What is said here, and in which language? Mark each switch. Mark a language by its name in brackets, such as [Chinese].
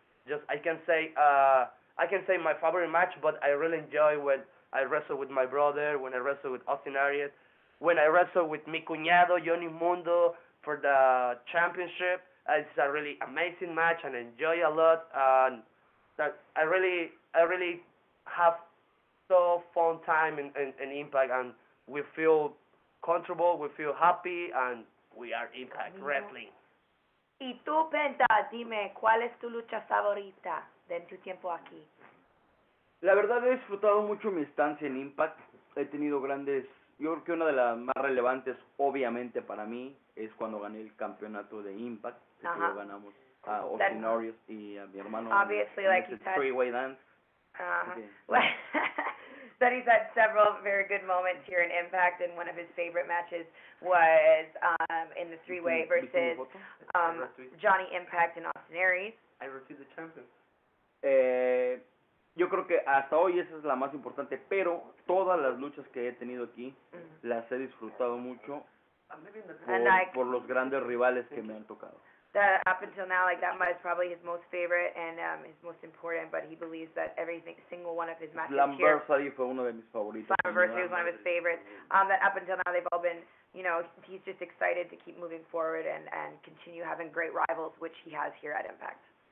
[English] Just I can say my favorite match, but I really enjoy when I wrestle with my brother, when I wrestle with Austin Aries, when I wrestle with mi cuñado Johnny Mundo for the championship. It's a really amazing match and I enjoy a lot. And that I really have so fun time in Impact, and we feel comfortable, we feel happy, and we are Impact Wrestling. [Spanish] Y tú, Penta, dime, ¿cuál es tu lucha favorita de tu tiempo aquí? La verdad, he disfrutado mucho mi estancia en Impact. He tenido grandes... Yo creo que una de las más relevantes, obviamente, para mí, es cuando gané el campeonato de Impact. Uh-huh. Que lo ganamos a Austin Aries y a mi hermano. [English] Obviamente, like you said. Three-way dance. That he's had several very good moments here in Impact, and one of his favorite matches was in the three-way versus Johnny Impact and Austin Aries. I received the champion. [Spanish] Yo creo que hasta hoy esa es la más importante, pero todas las luchas que he tenido aquí las he disfrutado mucho por los grandes rivales que me han tocado. [English] That up until now, like that match is probably his most favorite and his most important, but he believes that every single one of his matches [Spanish] Slamversary here. Fue uno de mis favoritos. [English] Slamversary was one of his favorites. That up until now, they've all been, you know, he's just excited to keep moving forward and continue having great rivals, which he has here at Impact.